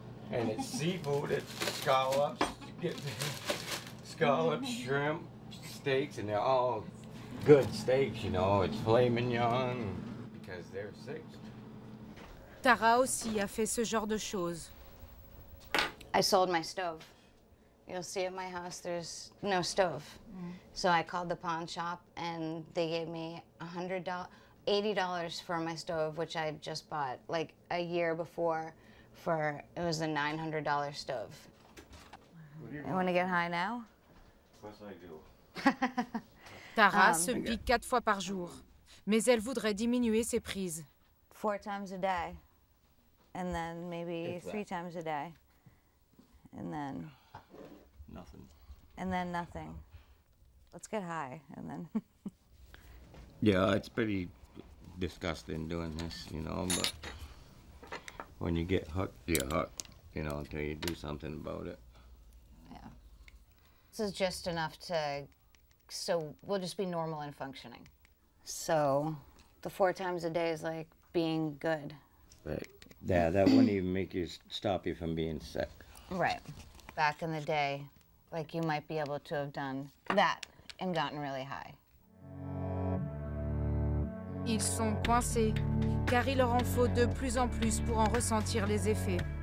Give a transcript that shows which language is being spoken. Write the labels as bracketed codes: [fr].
[en] And it's seafood, it's scallops. Scallops, shrimp, steaks, and they're all good steaks, you know. It's filet mignon, because they're six. [fr] Tara aussi a fait ce genre de choses. [en] I sold my stove. You'll see at my house, there's no stove. Mm. So I called the pawn shop, and they gave me $80 for my stove, which I just bought, like, a year before. It was a $900 stove. You want to get high now? [fr] Tara se pique 4 fois par jour, mais elle voudrait diminuer ses prises. [en] 4 times a day, and then maybe 3 times a day, and then nothing. And then nothing. Let's get high, and then. Yeah, it's pretty disgusting doing this, you know. But when you get hooked, you're hooked, you know, until you do something about it. This is just enough to, so we'll just be normal and functioning. So the four times a day is like being good. But yeah, that wouldn't even make you stop you from being sick. Right. Back in the day, like you might be able to have done that and gotten really high. [fr] Ils sont coincés, car il leur en faut de plus en plus pour en ressentir les effets.